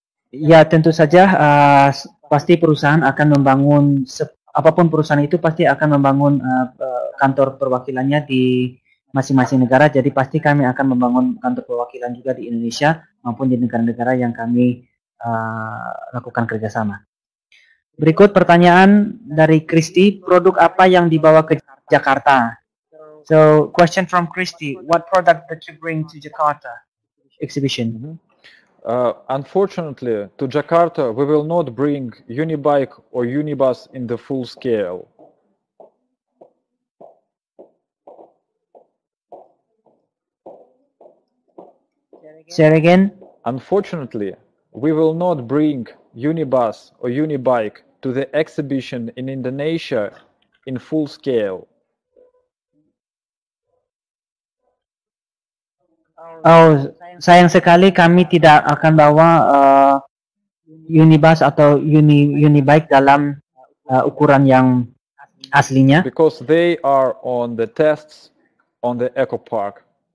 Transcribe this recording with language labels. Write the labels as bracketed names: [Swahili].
[Indonesian] Ya, tentu saja pasti perusahaan akan membangun apapun perusahaan itu pasti akan membangun kantor perwakilannya di masing-masing negara. Jadi pasti kami akan membangun kantor perwakilan juga di Indonesia maupun di negara-negara yang kami lakukan kerjasama. Berikut pertanyaan dari Christy, produk apa yang dibawa ke Jakarta? [English] So, question from Christy, what product did you bring to Jakarta exhibition? Unfortunately, to Jakarta, we will not bring Unibike or Unibus in the full scale. Say it again. Unfortunately, we will not bring Unibus or Unibike to the exhibition in Indonesia in full scale. [Indonesian] Oh, sayang sekali kami tidak akan bawa Unibus atau Unibike dalam ukuran yang aslinya. [English] Because they are on the tests on the Eco Park.